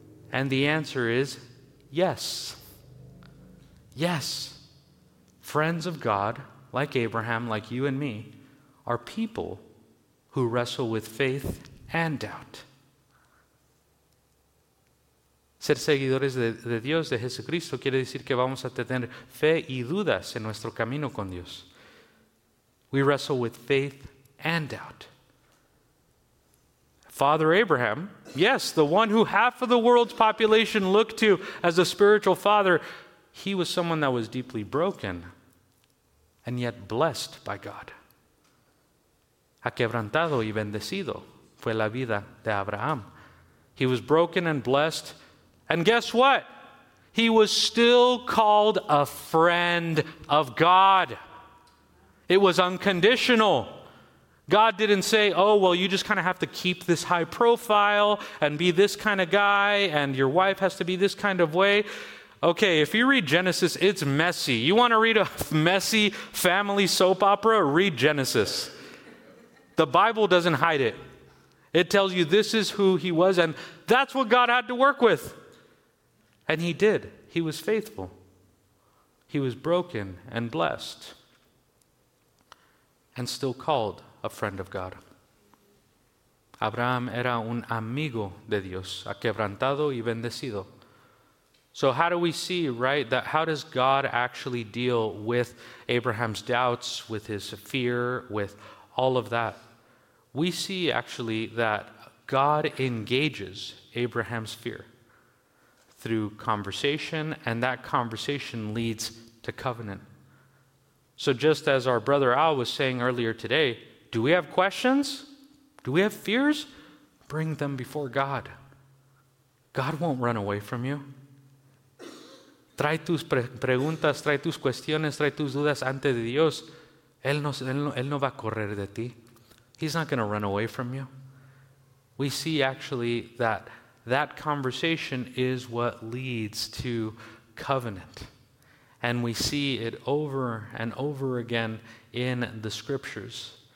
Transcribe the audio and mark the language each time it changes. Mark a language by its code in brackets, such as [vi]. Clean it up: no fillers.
[en] And the answer is yes. Yes. Friends of God, like Abraham, like you and me, are people who wrestle with faith and doubt. [es] Ser seguidores de Dios, de Jesucristo, quiere decir que vamos a tener fe y dudas en nuestro camino con Dios. [en] We wrestle with faith and doubt. Father Abraham, yes, the one who half of the world's population looked to as a spiritual father, he was someone that was deeply broken and yet blessed by God. [es] Aquebrantado y bendecido fue la vida de Abraham. [en] He was broken and blessed. And guess what? He was still called a friend of God. It was unconditional. God didn't say, oh, well, you just kind of have to keep this high profile and be this kind of guy, and your wife has to be this kind of way. Okay, if you read Genesis, it's messy. You want to read a messy family soap opera? Read Genesis. The Bible doesn't hide it. It tells you this is who he was, and that's what God had to work with. And he did. He was faithful. He was broken and blessed and still called a friend of God. [es] Abraham era un amigo de Dios, aquebrantado y bendecido. [en] So how do we see, right, that how does God actually deal with Abraham's doubts, with his fear, with all of that? We see actually that God engages Abraham's fear. through conversation, and that conversation leads to covenant. So just as our brother Al was saying earlier today, do we have questions? Do we have fears? Bring them before God. God won't run away from you. [es] Trae tus preguntas, trae tus cuestiones, trae tus dudas ante de Dios. Él no va a correr de ti. [en] He's not going to run away from you. We see actually that that conversation is what leads to covenant. And we see it over and over again in the scriptures.